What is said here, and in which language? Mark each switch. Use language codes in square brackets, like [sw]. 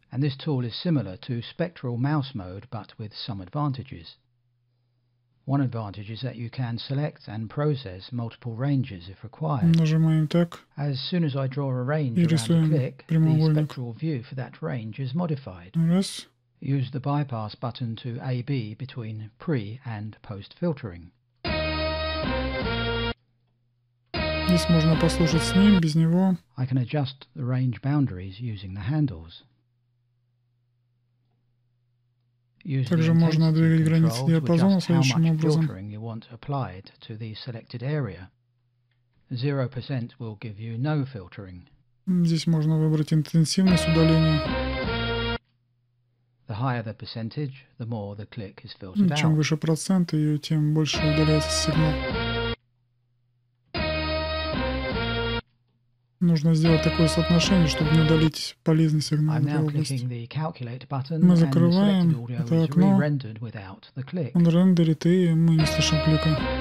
[ru] Нажимаем так и рисуем прямоугольник. Раз. [en] Use the bypass button to AB between pre and post filtering. [ru] Здесь можно послушать с ним, без него. [en] I can adjust the range boundaries using the handles. [ru] Также можно двигать границы диапазона следующим образом. [en] How much filtering you want applied to the selected area. 0% will give you no filtering. [ru] Здесь можно выбрать интенсивность удаления. [en] The higher the percentage, the more the click is filtered out. [ru] Чем выше процент, и тем больше удаляется сигнал. Нужно сделать такое соотношение, чтобы не удалить полезный сигнал этой области. Мы закрываем это окно. Он рендерит, и мы не слышим клика.